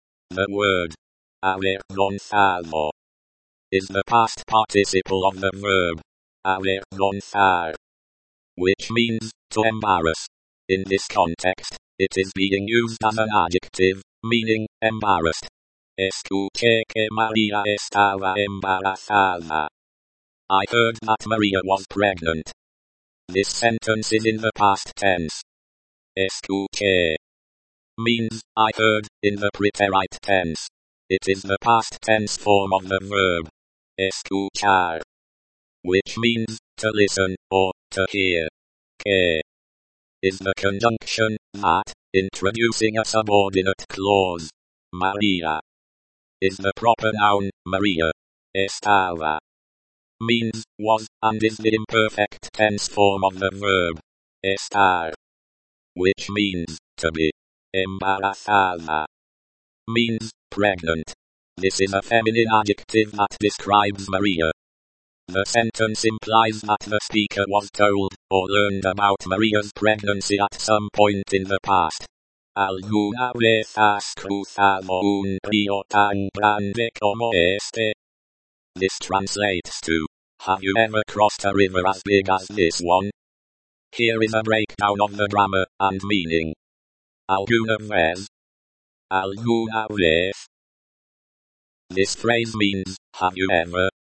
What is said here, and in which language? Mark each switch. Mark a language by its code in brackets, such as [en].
[en] The word avergonzado is the past participle of the verb avergonzar, which means to embarrass. In this context, it is being used as an adjective, meaning embarrassed. [es] Escuché que María estaba embarazada. [en] I heard that María was pregnant. This sentence is in the past tense. Escuché means I heard in the preterite tense. It is the past tense form of the verb escuchar, which means to listen or to hear. Que is the conjunction that, introducing a subordinate clause. María is the proper noun. [es] María estaba [en] means was and is the imperfect tense form of the verb estar, which means to be. Embarazada means pregnant. This is a feminine adjective that describes María. The sentence implies that the speaker was told or learned about María's pregnancy at some point in the past. [es] ¿Alguna vez has cruzado un río tan grande como este? [en] This translates to, have you ever crossed a river as big as this one? Here is a breakdown of the grammar and meaning. [es] ¿Alguna vez? ¿Alguna vez? [en] This phrase means, have you ever?